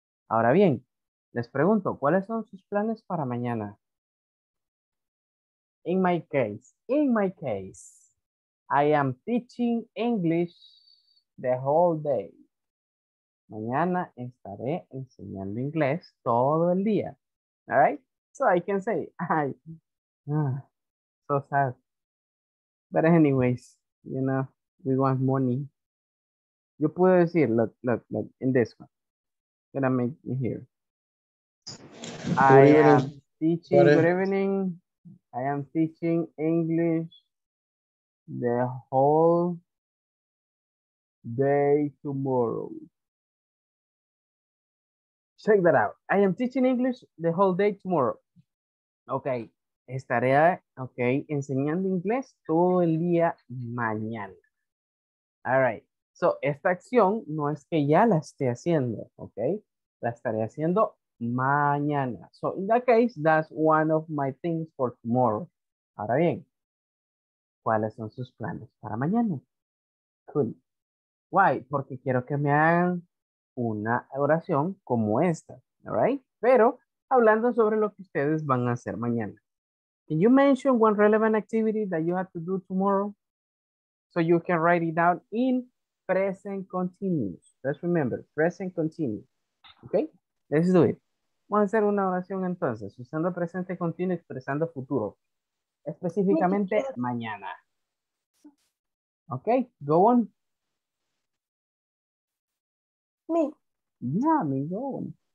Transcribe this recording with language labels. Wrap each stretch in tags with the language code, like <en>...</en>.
<es>Ahora bien, les pregunto, ¿cuáles son sus planes para mañana?</es> <en>In my case, I am teaching English the whole day.</en> <es>Mañana estaré enseñando inglés todo el día.</es> <en>All right? So I can say, so sad. But anyways, you know, we want money.</en> <es>Yo puedo decir,</es> <en>look, in this one. Gonna make it here. I am teaching English the whole day tomorrow. Check that out. I am teaching English the whole day tomorrow.</en> <es>Okay, estaré, okay, enseñando inglés todo el día mañana.</es> <en>All right, so</en> <es>esta acción no es que ya la esté haciendo, okay? La estaré haciendo mañana.</es> <en>So in that case, that's one of my things for tomorrow.</en> <es>Ahora bien, ¿cuáles son sus planes para mañana?</es> <en>Cool. Why?</en> <es>Porque quiero que me hagan una oración como esta, all right? Pero hablando sobre lo que ustedes van a hacer mañana.</es> <en>Can you mention one relevant activity that you have to do tomorrow? So you can write it down in present continuous. Let's remember, present continuous. Okay, let's do it.</en> <es>Vamos a hacer una oración entonces, usando presente continuo, expresando futuro. Específicamente mañana.</es> <en>Okay, go on. Me. Yeah, me, go on.</en>